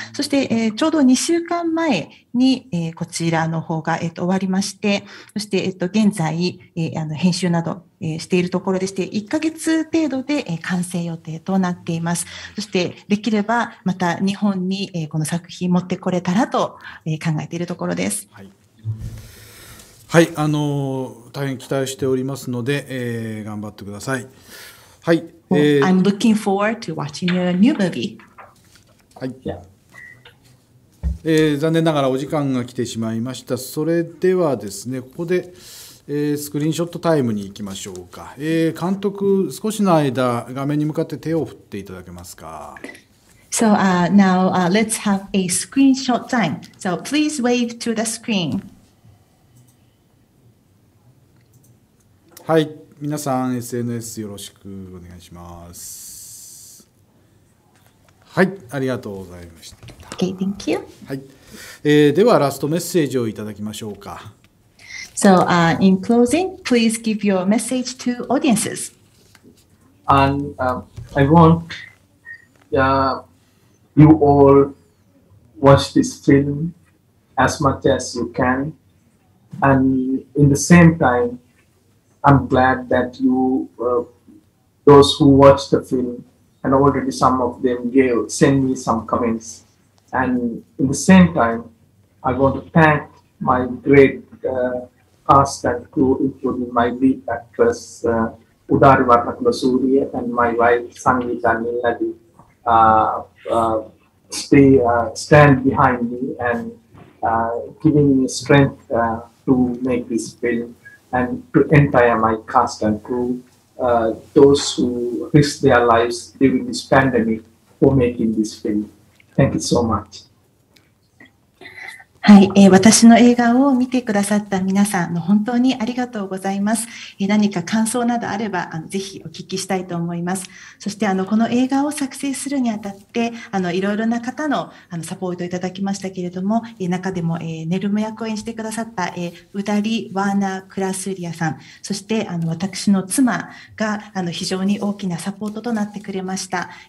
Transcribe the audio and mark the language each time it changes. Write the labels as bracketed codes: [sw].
[ja] そして、ちょうど2週間前に、こちらの方が、終わりまして、そして、現在、あの編集など、しているところでして、1ヶ月程度で、完成予定となっています。そしてできればまた日本に、この作品持ってこれたらと、考えているところです。はい、はい、大変期待しておりますので、頑張ってください。はい、 [en] well, I'm looking forward to watching your new movie. [ja] はい、残念ながらお時間が来てしまいました。それではですね、ここで、スクリーンショットタイムに行きましょうか。監督、少しの間画面に向かって手を振っていただけますか。 [en] So now let's have a screenshot time. So please wave to the screen. [ja] はい。皆さん SNS よろしくお願いします。はい、ありがとうございました。 [en] Okay, thank you. [ja] はい、ではラストメッセージをいただきましょうか。 [en] So, in closing, please give your message to audiences. And, I want, you all watch this film as much as you can. And in the same time, I'm glad that you, those who watched the film, and already some of them gave, send me some comments. And in the same time, I want to thank my great cast and crew, including my lead actress, Udari Varnakulasuriya, and my wife, Sangeeta Niladi, stand behind me and giving me strength to make this film, and to entire my cast and crew, those who risked their lives during this pandemic for making this film. Thank you so much. [ja] はい、私の映画を見てくださった皆さんの本当にありがとうございます。何か感想などあればぜひお聞きしたいと思います。そしてこの映画を作成するにあたっていろいろな方のサポートをいただきましたけれども、中でも、ネルム役を演じてくださった、ウダリ・ワーナー・クラスリアさん、そして私の妻が非常に大きなサポートとなってくれました。